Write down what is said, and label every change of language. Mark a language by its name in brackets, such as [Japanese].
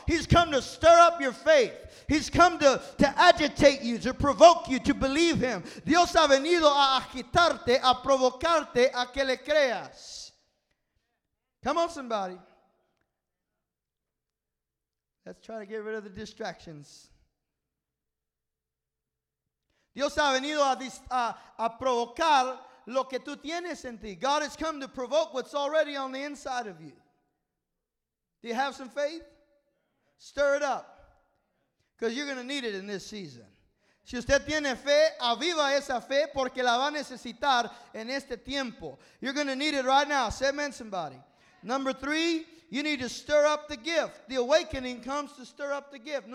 [English] He's come to stir up your faith. He's come to agitate you, to provoke you, to believe him. [Spanish] Dios ha venido a agitarte, a provocarte, a que le creas. [English] Come on, somebody. Let's try to get rid of the distractions. [Spanish] Dios ha venido a provocar lo que tú tienes en ti. [English] God has come to provoke what's already on the inside of you. Do you have some faith? Stir it up. Because you're going to need it in this season. [Spanish] Si usted tiene fe, aviva esa fe porque la va a necesitar en este tiempo. [English] You're going to need it right now. Say amen, somebody. Number three, you need to stir up the gift. The awakening comes to stir up the gift.